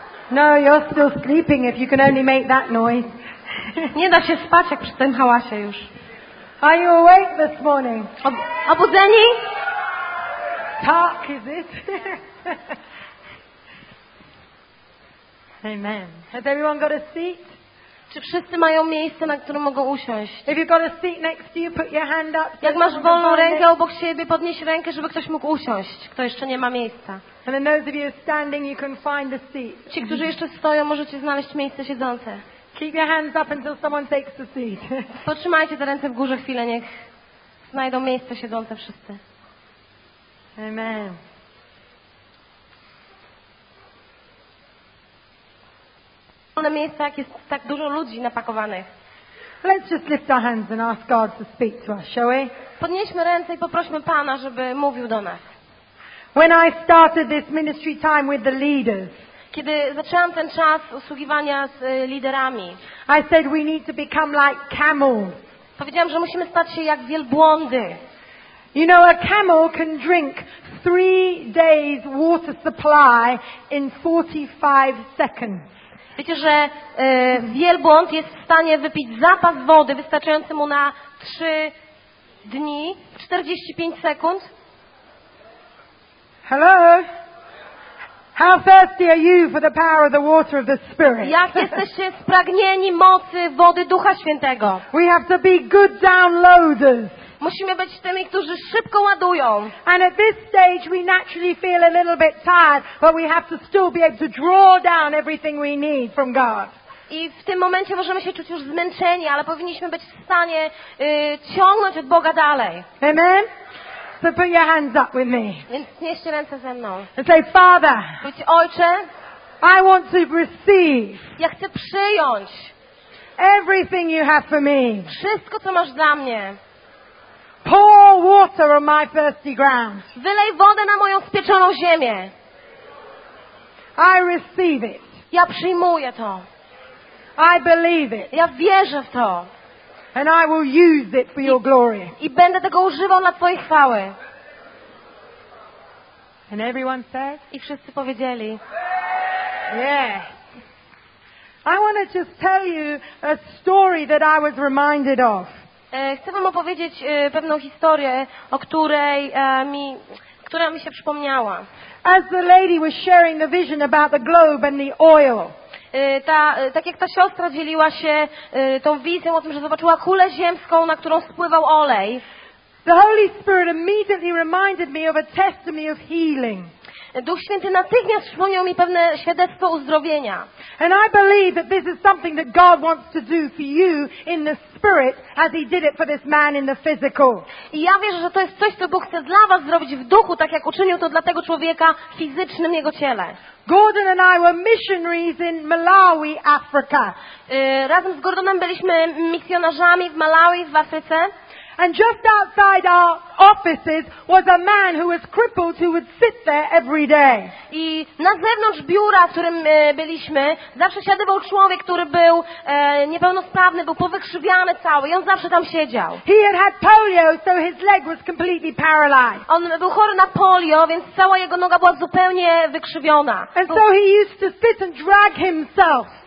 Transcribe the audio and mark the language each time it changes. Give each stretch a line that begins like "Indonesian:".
English: No, you're still sleeping if you can only make that noise.
Polish: Nie da się spać, jak przy tym hałasie już.
English: Are you awake this morning?
Polish: Obudzeni?
English: Talk, is it? Amen. Has everyone got a seat?
Polish: Czy wszyscy mają miejsce, na którym mogą usiąść?
English: If you've got a seat next to you, put your hand up.
Polish: Jak masz wolną rękę obok siebie, podnieś rękę, żeby ktoś mógł usiąść, kto jeszcze nie ma miejsca.
English: And then those of you standing, you can find a seat.
Polish: Ci, którzy jeszcze stoją, możecie znaleźć miejsce siedzące.
English: Keep your hands up until someone takes a seat.
Polish: Potrzymajcie te ręce w górze chwilę, niech znajdą miejsce siedzące wszyscy. Amen. Na miejscach jest tak dużo ludzi napakowanych.
English: Let's just lift our hands and ask God to speak to us, shall we?
Polish: Podnieśmy ręce i poprośmy Pana, żeby mówił do nas.
English: When I started this ministry time with the leaders,
Polish: kiedy zaczęłam ten czas usługiwania z liderami,
English: I said we need to become like camels.
Polish: Powiedziałam, że musimy stać się jak wielbłądy.
English: You know, a camel can drink 3 days water supply in 45 seconds.
Polish: Wiecie, że wielbłąd jest w stanie wypić zapas wody wystarczający mu na 3 dni w 45 sekund?
English: Hello? How thirsty are you for the power of the water of the Spirit?
Polish: Jak jesteście spragnieni mocy wody Ducha Świętego?
English: We have to be good downloaders.
Polish: Musimy być tymi, którzy szybko ładują.
English: And at this stage we naturally feel a little bit tired, but we have to still be able to draw down everything we need from God.
Polish: I w tym momencie możemy się czuć już zmęczeni, ale powinniśmy być w stanie ciągnąć od Boga dalej. Amen.
English: So put your hands up with me.
Polish: Więc wznieście ręce ze mną.
English: And say, Father,
Polish: Bądź Ojcze,
English: I want to receive.
Polish: Ja chcę przyjąć.
English: Everything you have for me.
Polish: Wszystko, co masz dla mnie.
English: Pour water on my thirsty ground.
Polish: Wylej wodę na moją spieczoną ziemię.
English: I receive it.
Polish: Ja przyjmuję to.
English: I believe it.
Polish: Ja wierzę w to.
English: And I will use it for your glory.
Polish: I będę tego używał dla Twojej chwały.
English: And everyone said?
Polish: I wszyscy powiedzieli.
English: Yeah. I want to just tell you a story that I was reminded of.
Polish: Chcę Wam opowiedzieć pewną historię, o której która mi się przypomniała.
English: As the lady was sharing the vision about the globe and the oil.
Polish: Tak jak ta siostra dzieliła się tą wizją o tym, że zobaczyła kulę ziemską, na którą spływał olej.
English: The Holy Spirit immediately reminded me of a testimony of healing.
Polish: Duch Święty natychmiast przypomniał mi pewne świadectwo uzdrowienia.
English: And I believe that this is something that God wants to do for you in the spirit as he did it for this man in the physical.
Polish: I ja wierzę, że to jest coś, co Bóg chce dla was zrobić w duchu, tak jak uczynił to dla tego człowieka fizycznym jego ciele.
English: Gordon and I were missionaries in Malawi, Africa.
Polish: Razem z Gordonem byliśmy misjonarzami w Malawi, w Afryce.
English: And just outside our offices was a man who was crippled who would sit there every day.
Polish: I na zewnątrz biura, w którym byliśmy, zawsze siadał człowiek, który był niepełnosprawny, był powykrzywiany cały. I on zawsze tam siedział.
English: He had polio, so his leg was completely paralyzed.
Polish: On był chory na polio, więc cała jego noga była zupełnie wykrzywiona.
English: And so he used to sit and drag himself.